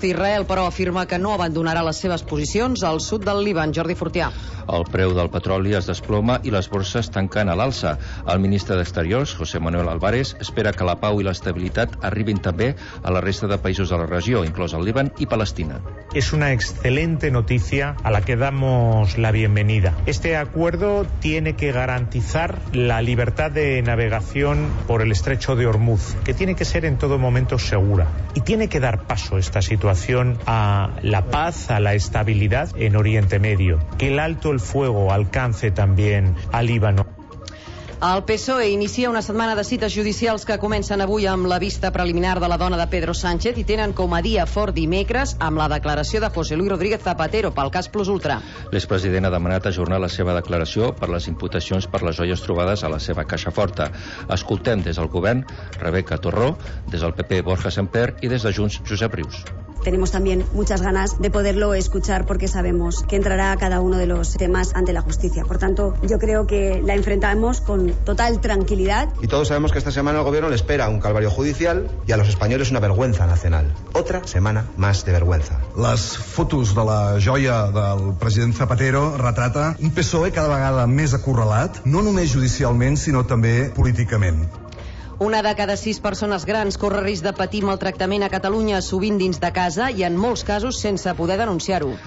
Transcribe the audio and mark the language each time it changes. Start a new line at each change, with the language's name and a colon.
Catalan: Israel, però, afirma que no abandonarà les seves posicions al sud del Líban. Jordi Fortià. El preu del petroli es desploma i les borses tanquen a l'alça. El ministre d'Exteriors, José Manuel Álvarez, espera que la pau i l'estabilitat arribin també a la resta de països de la regió, inclòs el Líban i Palestina.
Spanish: Es una excelente noticia a la que damos la bienvenida. Este acuerdo tiene que garantizar la libertad de navegación por el estrecho de Hormuz, que tiene que ser en todo momento segura. Y tiene que dar paso esta situación a la paz, a la estabilidad en Oriente Medio. Que el alto el fuego alcance también al Líbano.
Catalan: El PSOE inicia una setmana de cites judicials que comencen avui amb la vista preliminar de la dona de Pedro Sánchez i tenen com a dia fort dimecres amb la declaració de José Luis Rodríguez Zapatero pel cas Plus Ultra. L'expresident ha demanat ajornar la seva declaració per les imputacions per les joies trobades a la seva caixa forta. Escoltem des del govern Rebeca Torró, des del PP Borja Semper i des de Junts Josep Rius.
Spanish: Tenemos también muchas ganas de poderlo escuchar porque sabemos que entrará a cada uno de los temas ante la justicia. Por tanto, yo creo que la enfrentamos con total tranquilidad. Y todos sabemos que esta semana el gobierno le espera un calvario judicial y a los españoles una vergüenza nacional. Otra semana más de vergüenza. Las fotos
Catalan: de la joia del president Zapatero retrata un PSOE cada vegada més acorralat, no només judicialment, sinó també políticament. Una de cada sis persones grans corre risc de patir maltractament a Catalunya, sovint dins de casa i en molts casos sense poder denunciar-ho.